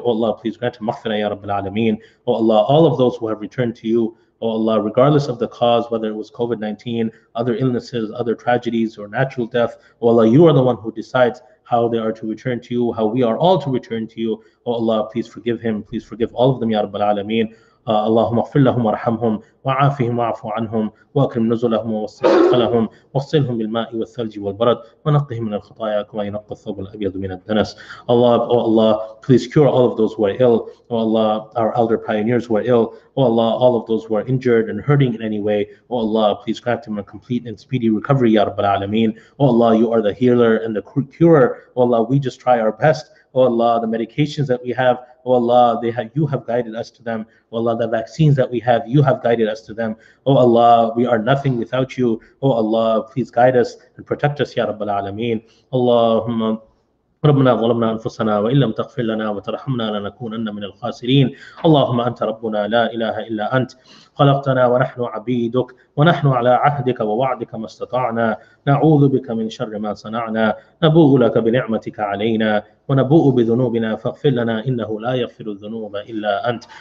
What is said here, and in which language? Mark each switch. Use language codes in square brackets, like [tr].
[en] Oh Allah, please grant him maghfirah, ya Rabbil Alameen. Oh Allah, all of those who have returned to you, oh Allah, regardless of the cause, whether it was COVID-19, other illnesses, other tragedies, or natural death, oh Allah, you are the one who decides how they are to return to you, how we are all to return to you. Oh Allah, please forgive him. Please forgive all of them, ya Rabbil Alameen. [ar] اللهم اغفر لهم وارحمهم وعافهم واعف عنهم واكرم نزلهم ووسع مدخلهم واغسلهم بالماء والثلج والبرد ونقهم من الخطايا كما ينقي الثوب الابيض من الدنس. [en] الله او الله please cure all of those who are ill. O الله our elder pioneers who are ill. O الله all of those who are injured and hurting in any way. O الله please grant them a complete and speedy recovery [ar] يا رب العالمين. [en] O الله you are the healer and the curer. O الله we just try our best. O Allah, the medications that we have, O Allah, you have guided us to them. O Allah, the vaccines that we have, you have guided us to them. O Allah, we are nothing without you. O Allah, please guide us and protect us, Ya Rabbal Alameen. Allahumma. [ar] ربنا ظلمنا أنفسنا وإن لم تغفر لنا وترحمنا لنكونن من الخاسرين. اللهم أنت ربنا لا إله إلا أنت، خلقتنا ونحن عبيدك ونحن على عهدك ووعدك ما استطعنا. نعوذ بك من شر ما صنعنا، نبوء لك بنعمتك علينا ونبوء بذنوبنا، فاغفر لنا إنه لا يغفر الذنوب إلا أنت.